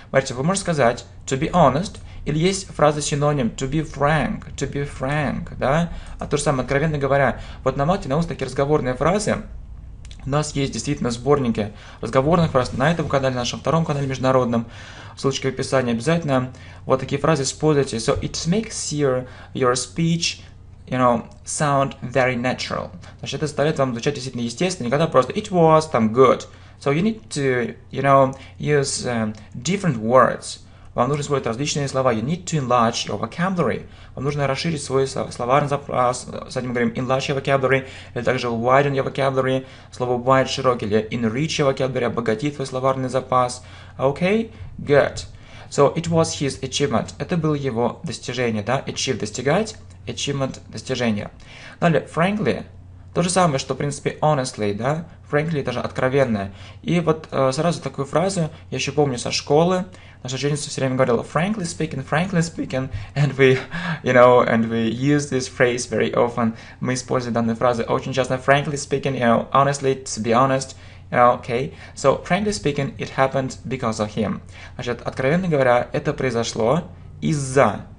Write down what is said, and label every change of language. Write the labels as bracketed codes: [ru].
[ru] Смотрите, вы можете сказать [en] to be honest. [ru] Или есть фраза-синоним [en] to be frank. To be frank, да? [ru] А то же самое, откровенно говоря. Вот на Мальте, на уст такие разговорные фразы. У нас есть действительно сборники разговорных фраз на этом канале, на нашем втором канале международном. Ссылочки в описании обязательно. Вот такие фразы используйте. [en] So it makes your speech, you know, sound very natural. [ru] Значит, это заставляет вам звучать действительно естественно, никогда просто [en] it was [ru] там good. [en] So you need to, you know, use different words. [ru] Вам нужно использовать различные слова. [en] You need to enlarge your vocabulary. [ru] Вам нужно расширить свой словарный запас. С этим мы говорим [en] enlarge your vocabulary. [ru] Или также [en] widen your vocabulary. [ru] Слово wide широкий. [en] Или enrich your vocabulary. [ru] Обогатить свой словарный запас. [en] Okay? Good. So it was his achievement. [ru] Это было его достижение. Да? Achieve – достигать. Achievement – достижение. Далее, frankly. То же самое, что, в принципе, honestly. Да? Frankly – это же откровенное. И вот сразу такую фразу я еще помню со школы. Наша ученица все время говорила [en] frankly speaking, and we, you know, and we use this phrase very often. [ru] Мы используем данные фразы очень часто. [en] Frankly speaking, you know, honestly, to be honest, you know, okay. So, frankly speaking, it happened because of him. [ru] Значит, откровенно говоря, это произошло из-за.